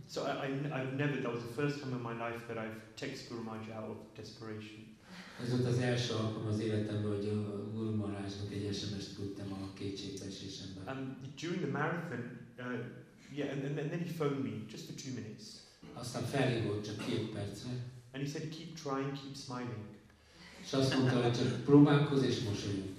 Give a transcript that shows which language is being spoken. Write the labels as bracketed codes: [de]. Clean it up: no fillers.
[en] So I've never, that was the first time in my life that I've texted Guru Maharaj out of desperation. [hu] Ez volt az első alkalom az életemben, hogy a Guru Maharajnak egy SMS-t küldtem a kétségbeesésemben. [en] During the marathon, and then he phoned me, just for 2 minutes. [hu] Aztán felhívott csak 2 percre. [en] And he said, keep trying, keep smiling. [hu] És azt mondta, hogy csak próbálkoz és mosolyog.